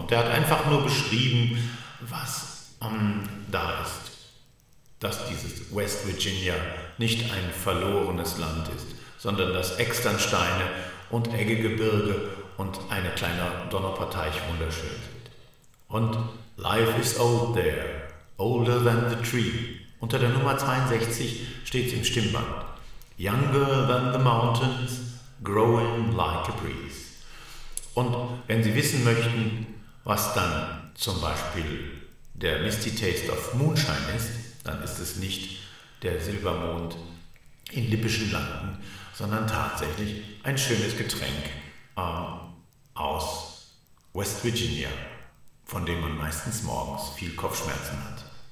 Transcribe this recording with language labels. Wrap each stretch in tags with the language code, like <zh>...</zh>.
<de>Und er hat einfach nur beschrieben, was da ist. Dass dieses West Virginia nicht ein verlorenes Land ist, sondern dass Externsteine und Eggegebirge und eine kleine Donnerparteich wunderschön sind.</de> <en>Und Life is old there, older than the tree.</en> <de>Unter der Nummer 62 steht es im Stimmband.</de> <en>Younger than the mountains, growing like a breeze.</en> <de>Und wenn Sie wissen möchten, was dann zum Beispiel der</de> <en>Misty Taste of Moonshine</en> <de>ist, dann ist es nicht der Silbermond in Lippischen Landen, sondern tatsächlich ein schönes Getränk aus West Virginia, von dem man meistens morgens viel Kopfschmerzen hat.</de>